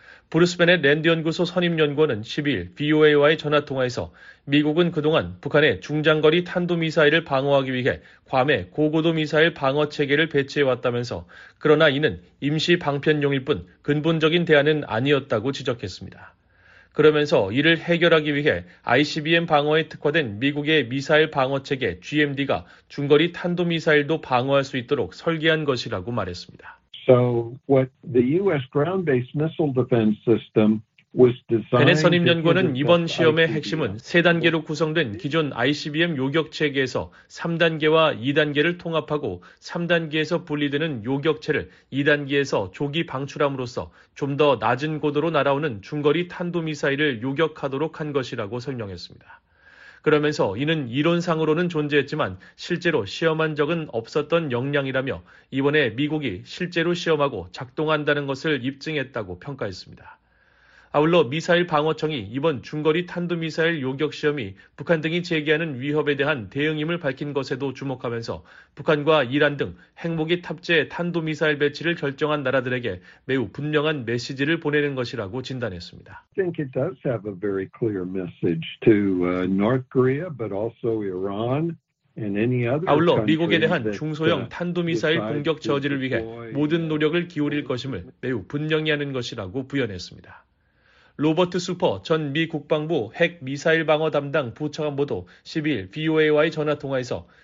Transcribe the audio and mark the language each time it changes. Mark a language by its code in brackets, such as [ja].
[ko] 브루스벤의 랜드연구소 선임연구원은 12일 VOA와의 전화통화에서 미국은 그동안 북한의 중장거리 탄도미사일을 방어하기 위해 괌에 고고도 미사일 방어 체계를 배치해왔다면서 그러나 이는 임시 방편용일 뿐 근본적인 대안은 아니었다고 지적했습니다. 그러면서 이를 해결하기 위해 ICBM 방어에 특화된 미국의 미사일 방어체계 GMD가 중거리 탄도미사일도 방어할 수 있도록 설계한 것이라고 말했습니다. [en] So what the US ground-based missile defense system was designed. [ko] 벤의 선임 연구원은 이번 시험의 핵심은 세 단계로 구성된 기존 ICBM 요격체계에서 3단계와 2단계를 통합하고 3단계에서 분리되는 요격체를 2단계에서 조기 방출함으로써 좀 더 낮은 고도로 날아오는 중거리 탄도미사일을 요격하도록 한 것이라고 설명했습니다. 그러면서 이는 이론상으로는 존재했지만 실제로 시험한 적은 없었던 역량이라며 이번에 미국이 실제로 시험하고 작동한다는 것을 입증했다고 평가했습니다. 아울러 미사일 방어청이 이번 중거리 탄도미사일 요격시험이 북한 등이 제기하는 위협에 대한 대응임을 밝힌 것에도 주목하면서 북한과 이란 등 핵무기 탑재 탄도미사일 배치를 결정한 나라들에게 매우 분명한 메시지를 보내는 것이라고 진단했습니다. [en] I think it does have a very clear message to North Korea, but also Iran. [ko] 아울러 미국에 대한 중소형 탄도미사일 공격 저지를 위해 모든 노력을 기울일 것임을 매우 분명히 하는 것이라고 부연했습니다. 로버트 슈퍼 전 미 국방부 핵미사일 방어 담당 부차관보도 12일 VOA와의 전화통화에서